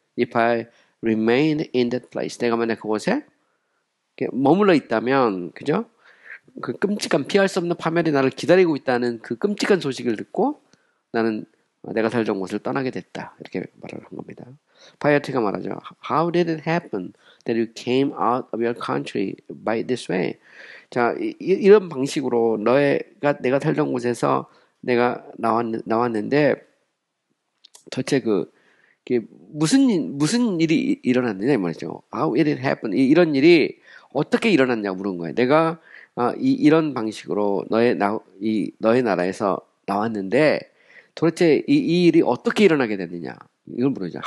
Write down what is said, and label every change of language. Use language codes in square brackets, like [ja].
[en] If I remain in that place. [ko] 내가 만약 그곳에 머물러 있다면, 그죠? 그 끔찍한, 피할 수 없는 파멸이 나를 기다리고 있다는 그 끔찍한 소식을 듣고 나는 내가 살던 곳을 떠나게 됐다 이렇게 말을 한 겁니다. 파이어트가 말하죠. [en] How did it happen that you came out of your country by this way? [ko] 자, 이런 방식으로 내가 살던 곳에서 내가 나왔는데 도대체 무슨 일이 일어났느냐 말이죠. [en] How did it happen? [ko] 이런 일이 어떻게 일어났냐 물은 거예요. 내가 이런 방식으로 너의 나라에서 나왔는데 도대체 이 일이 어떻게 일어나게 됐느냐 이걸 물어보죠.